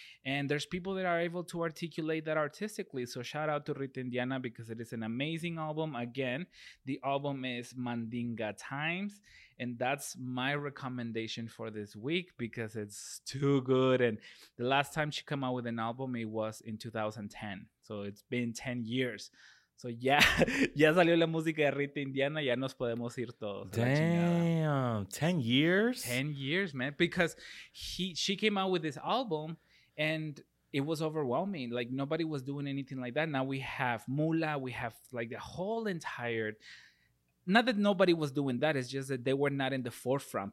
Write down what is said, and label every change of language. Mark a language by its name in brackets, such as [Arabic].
[English] And there's people that are able to articulate that artistically. So shout out to Rita Indiana because it is an amazing album. Again, the album is Mandinga Times. And that's my recommendation for this week because it's too good. And the last time she came out with an album, it was in 2010. So it's been 10 years. [Spanish] So ya salió la música de Rita Indiana, ya nos podemos ir todos. [English] Damn, 10 years? 10 years, man, because she came out with this album and it was overwhelming. Like nobody was doing anything like that. Now we have Mula, we have like the whole entire, not that nobody was doing that, it's just that they were not in the forefront.